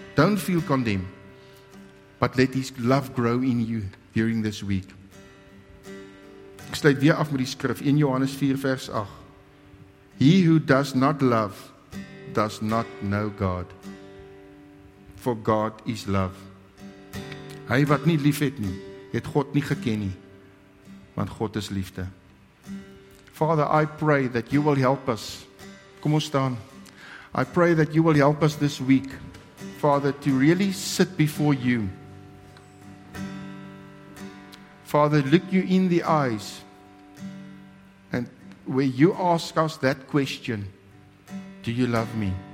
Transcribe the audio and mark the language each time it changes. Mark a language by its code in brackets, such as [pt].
[en] Don't feel condemned, but let his love grow in you during this week. [af] Ek sluit weer af met die skrif, 1 Johannes 4 vers 8. [en] He who does not love, does not know God. For God is love. [af] Hy wat nie lief het nie, het God nie geken nie. Want God is liefde. [en] Father, I pray that you will help us. [af] Kom ons staan. [en] I pray that you will help us this week, Father, to really sit before you. Father, look you in the eyes. And where you ask us that question, do you love me?